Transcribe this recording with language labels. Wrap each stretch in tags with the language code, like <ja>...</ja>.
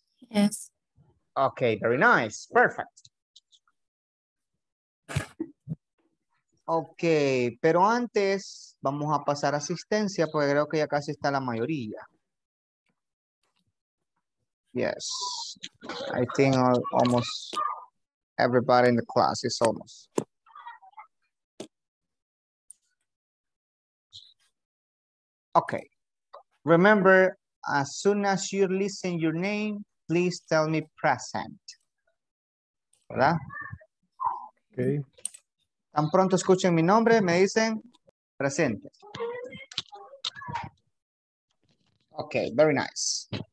<en>Yes. Okay, very nice. Perfect.</en> <es>Okay, pero antes vamos a pasar a asistencia porque creo que ya casi está la mayoría.</es> <en>Yes. I think almost everybody in the class is almost. Okay, remember, as soon as you listen your name, please tell me present.</en> <es>¿Verdad?</es> <en>Okay.</en> <es>Tan pronto escuchen mi nombre, me dicen presente.</es> <en>Okay, very nice.</en>